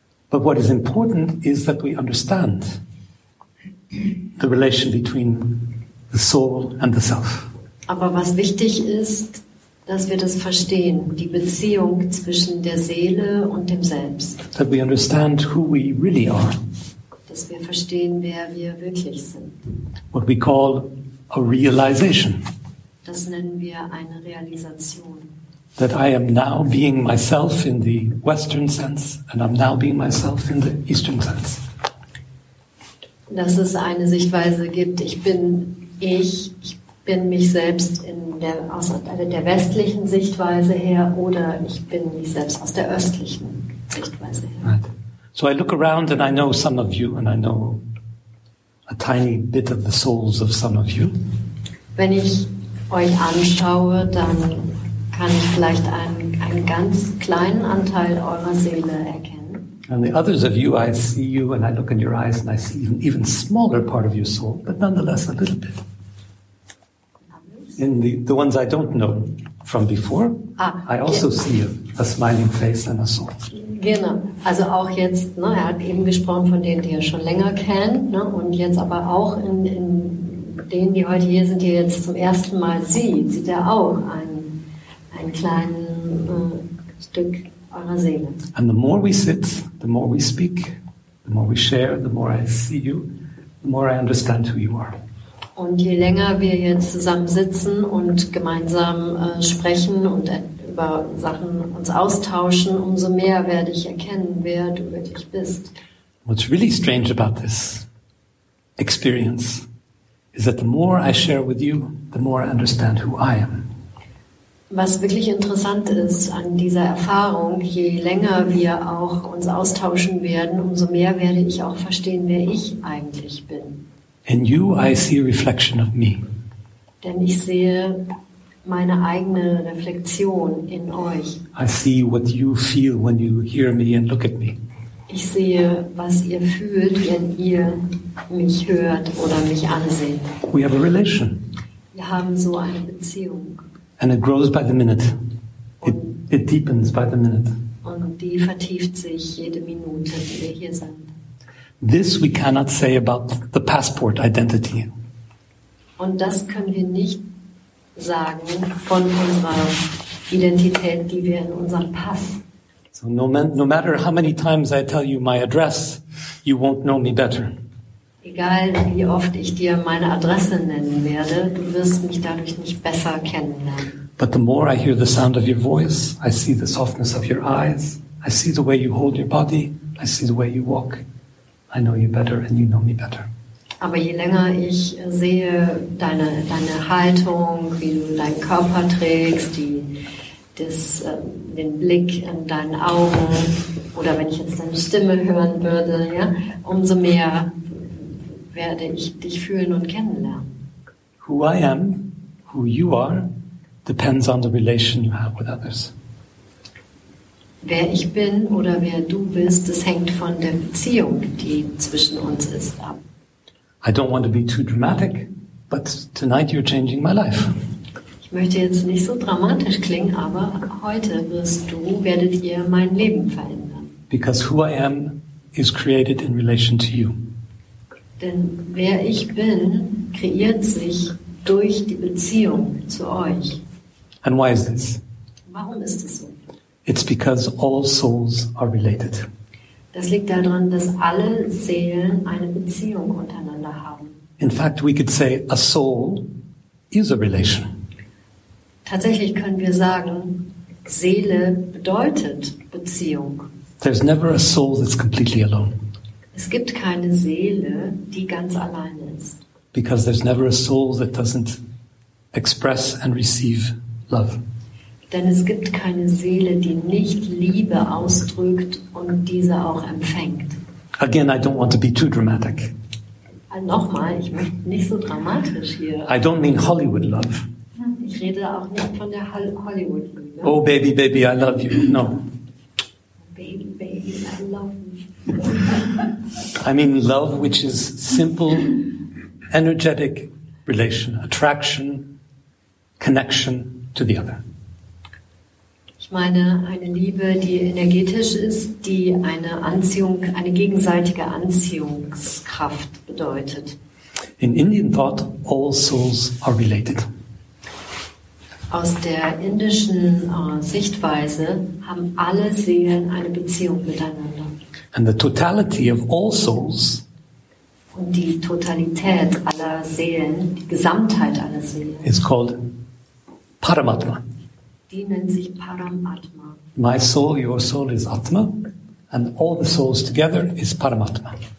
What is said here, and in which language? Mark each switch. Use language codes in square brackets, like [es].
[en] But what is important is that we understand the relation between the soul and the self. [de] Aber was wichtig ist, dass wir das verstehen, die Beziehung zwischen der Seele und dem Selbst. [en] That we understand who we really are. [de] Dass wir verstehen, wer wir wirklich sind. [en] What we call a realization. [de] Das nennen wir eine Realisation. [en] That I am now being myself in the Western sense and I'm now being myself in the Eastern sense. [de] Dass es eine Sichtweise gibt, ich bin mich selbst aus der westlichen Sichtweise her oder ich bin mich selbst aus der östlichen Sichtweise her. [en] Right. So I look around and I know some of you and I know a tiny bit of the souls of some of you. [de] Wenn ich euch anschaue, dann kann ich vielleicht einen ganz kleinen Anteil eurer Seele erkennen. [en] And the others of you, I see you and I look in your eyes and I see an even smaller part of your soul, but nonetheless a little bit. In the ones I don't know from before, I also see a smiling face and a soul. [de] Genau. Also auch jetzt, ne, er hat eben gesprochen von denen, die er schon länger kennt, ne, und jetzt aber auch in denen, die heute hier sind, die er jetzt zum ersten Mal sieht, sieht er auch ein kleines Stück eurer Seele. [en] And the more we sit, the more we speak, the more we share, the more I see you, the more I understand who you are. [de] Und je länger wir jetzt zusammen sitzen und gemeinsam sprechen und über Sachen uns austauschen, umso mehr werde ich erkennen, wer du wirklich bist. [en] What's really strange about this experience is that the more I share with you, the more I understand who I am. [de] Was wirklich interessant ist an dieser Erfahrung, je länger wir auch uns austauschen werden, umso mehr werde ich auch verstehen, wer ich eigentlich bin. [en] In you I see a reflection of me. [de] Denn ich sehe meine eigene Reflexion in euch. [en] I see what you feel when you hear me and look at me. [de] Ich sehe, was ihr fühlt, wenn ihr mich hört oder mich anseht. [en] We have a relation. [de] Wir haben so eine Beziehung. [en] And it grows by the minute. It deepens by the minute. [de] Und die vertieft sich jede Minute, die wir hier sind. [en] This we cannot say about the passport identity. [de] Und das können wir nicht sagen von unserer Identität, die wir in unserem Pass. [en] So no matter how many times I tell you my address, you won't know me better. [de] Egal wie oft ich dir meine Adresse nennen werde, du wirst mich dadurch nicht besser kennenlernen. [en] But the more I hear the sound of your voice, I see the softness of your eyes, I see the way you hold your body, I see the way you walk. I know you better and you know me better. [de] Aber je länger ich sehe deine Haltung, wie du deinen Körper trägst, den Blick in deinen Augen oder wenn ich jetzt deine Stimme hören würde, ja, umso mehr werde ich dich fühlen und kennenlernen. [en] Who I am, who you are, depends on the relation you have with others. [de] Wer ich bin oder wer du bist, das hängt von der Beziehung, die zwischen uns ist, ab. [en] I don't want to be too dramatic, but tonight you're changing my life. [de] Ich möchte jetzt nicht so dramatisch klingen, aber heute werdet ihr mein Leben verändern. [en] Because who I am is created in relation to you. [de] Denn wer ich bin, kreiert sich durch die Beziehung zu euch. [en] And why is this? [de] Warum ist das so? [en] It's because all souls are related. [de] Das liegt daran, dass alle Seelen eine Beziehung untereinander haben. [en] In fact, we could say a soul is a relation. [de] Tatsächlich können wir sagen, Seele bedeutet Beziehung. [en] There's never a soul that's completely alone. [de] Es gibt keine Seele, die ganz allein ist. [en] Because there's never a soul that doesn't express and receive love. [de] Denn es gibt keine Seele, die nicht Liebe ausdrückt und diese auch empfängt. [en] Again, I don't want to be too dramatic. [de] Nochmal, ich möchte nicht so dramatisch hier. [en] I don't mean Hollywood love. [de] Ich rede auch nicht von der Hollywood Liebe. [en] Oh baby, baby, I love you. No. Baby, baby, I love you. I mean love, which is simple, energetic relation, attraction, connection to the other. [de] Ich meine eine Liebe, die energetisch ist, die eine Anziehung, eine gegenseitige Anziehungskraft bedeutet. [en] In Indian thought, all souls are related. [de] aus der indischen Sichtweise haben alle Seelen eine Beziehung miteinander. [en] And the totality of all souls. [de] Und die Totalität aller Seelen, die Gesamtheit aller Seelen. [en] Is called Paramatma. [de] Die nennt sich Paramatma. [en] My soul, your soul is Atma, and all the souls together is Paramatma.